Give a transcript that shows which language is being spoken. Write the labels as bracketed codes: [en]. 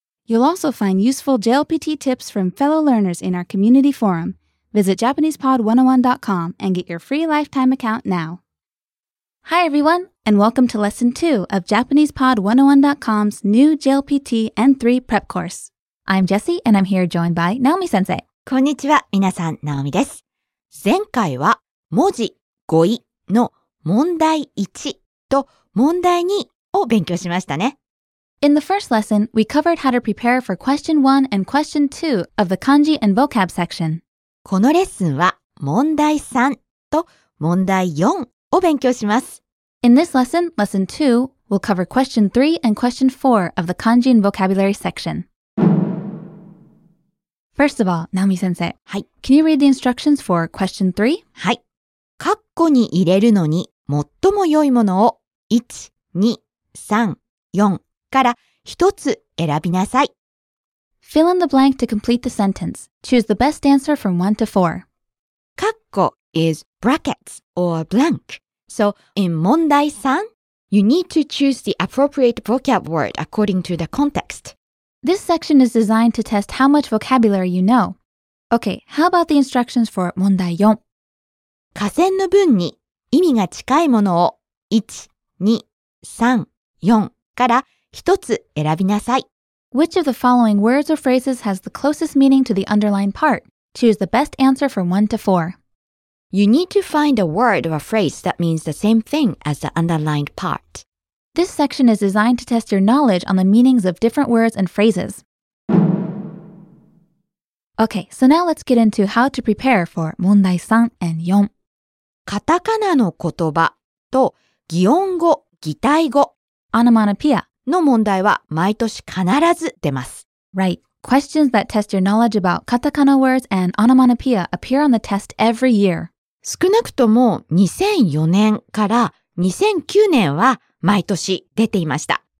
[en] You'll also find useful JLPT tips from fellow learners in our community forum. Visit JapanesePod101.com and get your free lifetime account now. Hi everyone, and welcome to Lesson 2 of JapanesePod101.com's new JLPT N3 Prep Course. I'm Jessie, and I'm here joined by Naomi Sensei. [ja] こんにちは、みなさん、ナオミです。前回は文字語彙の問題1と問題2を勉強しましたね。 [en] In the first lesson, we covered how to prepare for question 1 and question 2 of the 漢字 and vocab section. [ja] このレッスンは問題3と問題4を勉強します。 [en] In this lesson, lesson 2, we'll cover question 3 and question 4 of the 漢字 and vocabulary section. First of all, Naomi 先生。 [ja] はい。 [en] Can you read the instructions for question 3? [ja] はい。括弧に入れるのに最も良いものを1、2、3、4から一つ選びなさい。 [en] Fill in the blank to complete the sentence. Choose the best answer from 1 to 4. 括弧 is brackets or blank. So in 問題 3, you need to choose the appropriate vocab word according to the context. This section is designed to test how much vocabulary you know. Okay, how about the instructions for 問題 4? [ja] 下線の文に意味が近いものを1、2、3、4から一つ選びなさい。 [en] Which of the following words or phrases has the closest meaning to the underlined part? Choose the best answer from 1 to 4. You need to find a word or a phrase that means the same thing as the underlined part. This section is designed to test your knowledge on the meanings of different words and phrases. Okay, so now let's get into how to prepare for 問題3 and 4. [ja] カタカナの言葉と擬音語、擬態語 [en] onomatopoeia [ja] の問題は毎年必ず出ます。 [en] Right. Questions that test your knowledge about katakana words and onomatopoeia appear on the test every year. [ja] 少なくとも2004年から2009年は毎年出ていました。